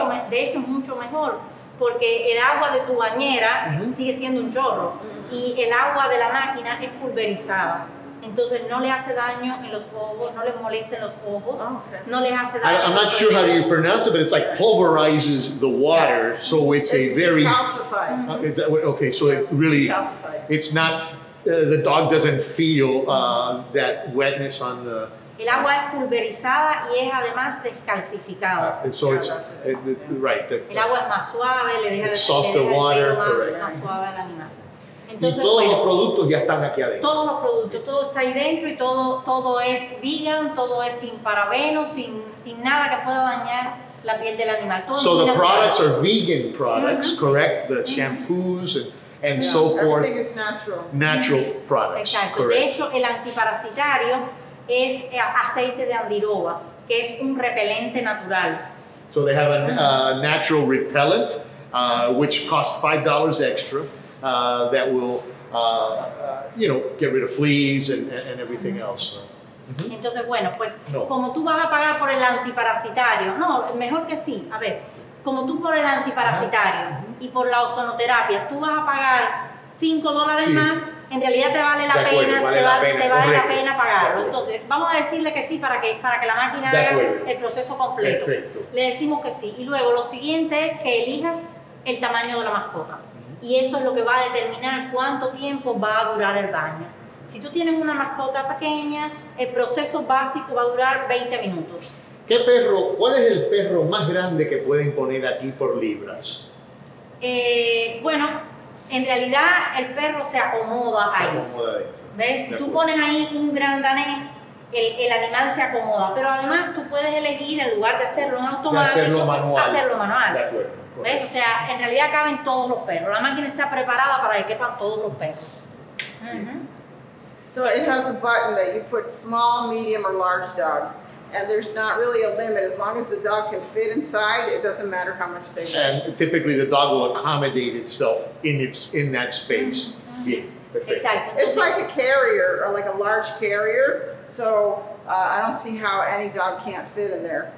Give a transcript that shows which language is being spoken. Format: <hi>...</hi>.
<es>De hecho, mucho mejor, porque el agua de tu bañera sigue siendo un chorro, y el agua de la máquina es pulverizada. Entonces no le hace daño en los ojos, no le molesta en los ojos, no le hace daño.</es> <en>I'm not sure how you pronounce it, but it's like pulverizes the water, yeah. So it's a very calcified. Okay, so it really, it's not the dog doesn't feel that wetness on the.</en> <es>El agua es pulverizada y es además descalcificada.</es> <en>So it's right.</en> <es>El agua es más suave, le deja</es> <en>it's softer water,</en> <es>más,</es> <en>correct.</en> <es>Más suave al animal. Entonces, y todos los productos ya están aquí adentro. Todos los productos, todo está ahí dentro y todo es vegan, todo es sin parabenos, sin nada que pueda dañar la piel del animal. Todo</es> <en>so the products are vegan products, correct? The shampoos and so forth. Everything is natural. Natural products.</en> <es>Exacto.</es> <en>Correct.</en> <es>De hecho, el antiparasitario es aceite de andiroba, que es un repelente natural.</es> <en>So they have a natural repellent, which costs $5 extra. That will, you know, get rid of fleas and everything else.</en> <es>Entonces, bueno, pues, como tú vas a pagar por el antiparasitario, no, mejor que sí, a ver, como tú por el antiparasitario y por la ozonoterapia, tú vas a pagar $5 más, en realidad te vale la pena, te vale la pena pagarlo. Entonces, vamos a decirle que sí para que la máquina haga el proceso completo. Perfecto. Le decimos que sí. Y luego, lo siguiente es que elijas el tamaño de la mascota. Y eso es lo que va a determinar cuánto tiempo va a durar el baño. Si tú tienes una mascota pequeña, el proceso básico va a durar 20 minutos. ¿Qué perro? ¿Cuál es el perro más grande que pueden poner aquí por libras? Bueno, en realidad el perro se acomoda ahí. Se acomoda dentro. ¿Ves? Si tú pones ahí un gran danés, el animal se acomoda. Pero además tú puedes elegir, en lugar de hacerlo en automático, hacerlo manual. De acuerdo. ¿Ves? O sea, en realidad caben todos los perros. La máquina está preparada para que quepan todos los perros.</es> <en>So it has a button that you put small, medium, or large dog. And there's not really a limit. As long as the dog can fit inside, it doesn't matter how much they weigh. And typically the dog will accommodate itself in that space. Exactly. It's like a carrier, or like a large carrier. So I don't see how any dog can't fit in there.</en>